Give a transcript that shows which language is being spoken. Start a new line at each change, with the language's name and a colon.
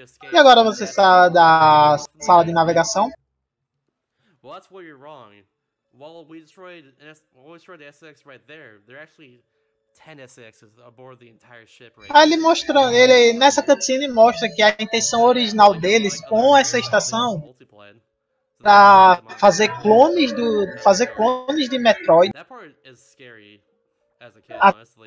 Portuguese: E agora você sai da sala de navegação.
English: Well, that's where you're wrong. While we destroyed the SX right there, there are actually 10 SXs aboard the entire ship right
Portuguese: now. Ele mostra, ele, nessa cutscene mostra que a intenção original deles com essa estação pra fazer clones de Metroid.
English: That part is scary as a kid, honestly.